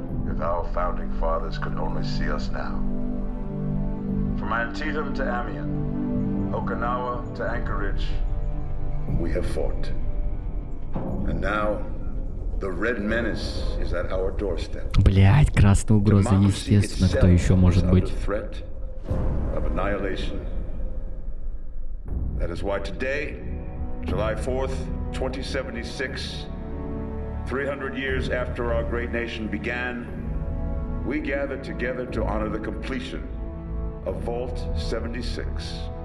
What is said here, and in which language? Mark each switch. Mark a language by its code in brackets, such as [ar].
[en] If our founding fathers could only see us now. From Antietam to Amiens, Okinawa to Anchorage, we have fought. And now, the red menace is at our doorstep. [ru] Блять, красная угроза, естественно, кто еще может быть? [en] Of annihilation. That is why today, July 4th, 2076, 300 years after our great nation began, we gather together to honor the completion of Vault 76.